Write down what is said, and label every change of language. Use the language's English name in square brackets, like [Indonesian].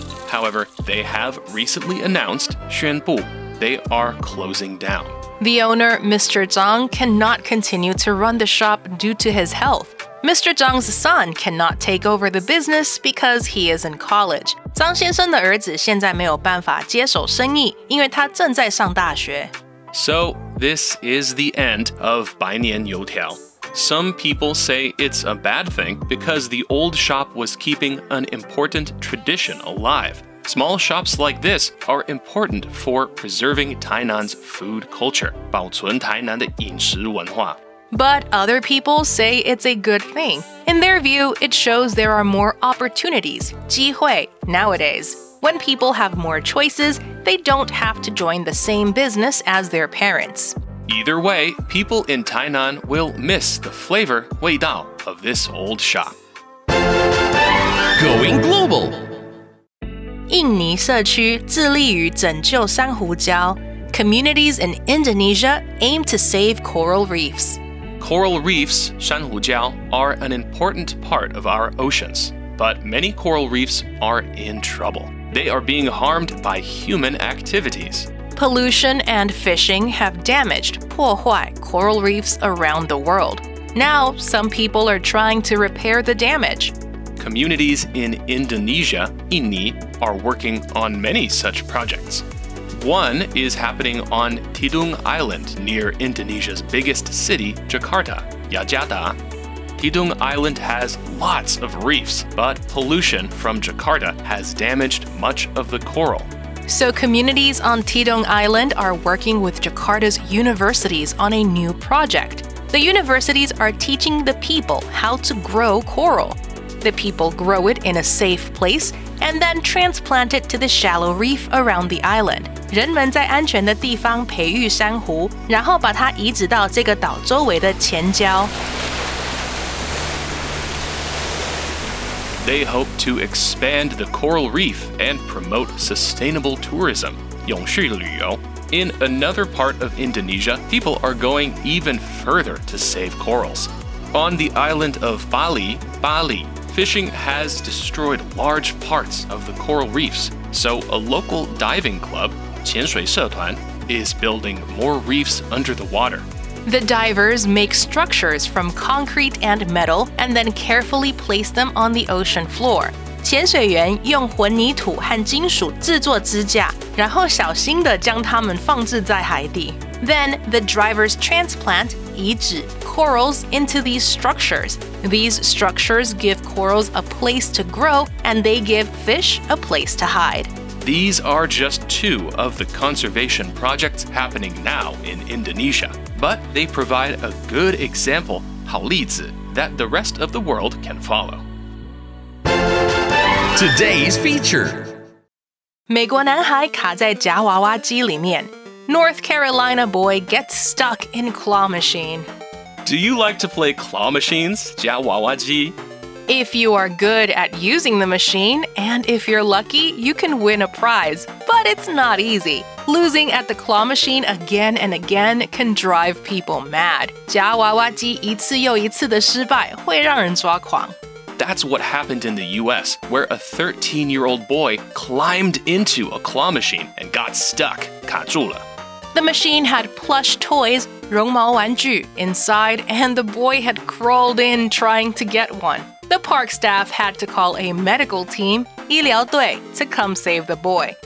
[English] However, they have recently announced, [Chinese] 宣布, [English] they are closing down. The owner, Mr. Zhang, cannot continue to run the shop due to his health. Mr. Zhang's son cannot take over the business because he is in college. [Chinese] 张先生的儿子现在没有办法接手生意，因为他正在上大学。 [English] So, this is the end of Bainian Youtiao. Some people say it's a bad thing because the old shop was keeping an important tradition alive. Small shops like this are important for preserving Tainan's food culture. [Chinese] 保存台南的饮食文化。 [English] But other people say it's a good thing. In their view, it shows there are more opportunities, [Chinese] 机会, [English] nowadays. When people have more choices, they don't have to join the same business as their parents. Either way, people in Tainan will miss the flavor, [Chinese] 味道, [English] of this old shop. Going Global! [Chinese] 印尼社区致力于拯救珊瑚礁。 [English] Communities in Indonesia aim to save coral reefs. Coral reefs, [Chinese] 珊瑚礁, [English] are an important part of our oceans. But many coral reefs are in trouble. They are being harmed by human activities. Pollution and fishing have damaged, [Chinese] 破坏, [English] coral reefs around the world. Now, some people are trying to repair the damage. Communities in Indonesia, [Chinese] 印尼, [English] are working on many such projects. One is happening on Tidung Island near Indonesia's biggest city, Jakarta, Jakarta. Tidung Island has lots of reefs, but pollution from Jakarta has damaged much of the coral. So communities on Tidung Island are working with Jakarta's universities on a new project. The universities are teaching the people how to grow coral. The people grow it in a safe place and then transplant it to the shallow reef around the island. [Chinese] 人们在安全的地方培育珊瑚，然后把它移植到这个岛周围的浅礁。 [English] They hope to expand the coral reef and promote sustainable tourism, [Chinese] 永续旅游. [English] In another part of Indonesia, people are going even further to save corals. On the island of Bali, Bali, fishing has destroyed large parts of the coral reefs, so a local diving club, [Chinese] 潜水社团, [English] is building more reefs under the water. The divers make structures from concrete and metal and then carefully place them on the ocean floor. [Chinese] 潜水员用混凝土和金属制作支架，然后小心地将它们放置在海底。 [English] Then the divers transplant, [Chinese] 移植, [English] corals into these structures. These structures give corals a place to grow and they give fish a place to hide. These are just two of the conservation projects happening now in Indonesia. But they provide a good example, [Chinese] 好例子, [English] that the rest of the world can follow. Today's feature. [Chinese] 美国男孩卡在夹娃娃机里面。 [English] North Carolina boy gets stuck in claw machine. Do you like to play claw machines, [Chinese] 加娃娃机? [English] If you are good at using the machine, and if you're lucky, you can win a prize. But it's not easy. Losing at the claw machine again and again can drive people mad. [Chinese] 加娃娃机一次又一次的失败会让人抓狂。 [English] That's what happened in the US, where a 13-year-old boy climbed into a claw machine and got stuck, [Chinese] 卡住了。 [English] The machine had plush toys, [Chinese] 绒毛玩具, [English] inside, and the boy had crawled in trying to get one. The park staff had to call a medical team, [Chinese] 医疗队, [English] to come save the boy.